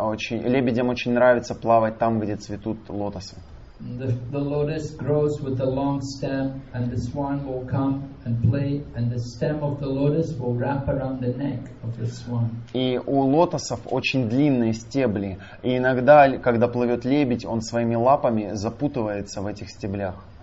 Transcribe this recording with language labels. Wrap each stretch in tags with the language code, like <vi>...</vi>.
<ru>Лебедям очень нравится плавать там, где цветут лотосы.</ru> <en>The lotus grows with a long stem, and the swan will come and play, and the stem of the lotus will wrap around the neck of the swan.</en> <ru>И у лотосов очень длинные стебли, и иногда, когда плывет лебедь, он своими лапами запутывается в этих стеблях.</ru>